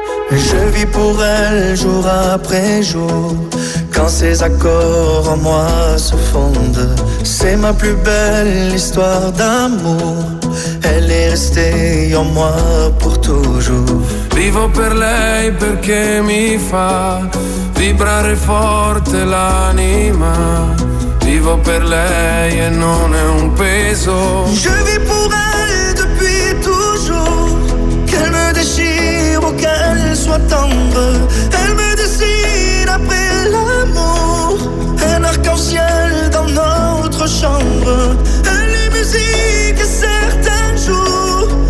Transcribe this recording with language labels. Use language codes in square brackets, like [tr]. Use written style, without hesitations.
[fr] Je vis pour elle jour après jour. Quand ses accords en moi se fondent, c'est ma plus belle histoire d'amour. Elle est restée en moi pour toujours. [it] Vivo per lei perché mi fa vibrare forte l'anima. Vivo per lei e non è un peso. [fr] Je vis pour elle depuis toujours. Qu'elle me déchire ou qu'elle soit tendre, elle me dessine après l'amour. Un arc-en-ciel dans notre chambre. Elle est musique certains jours.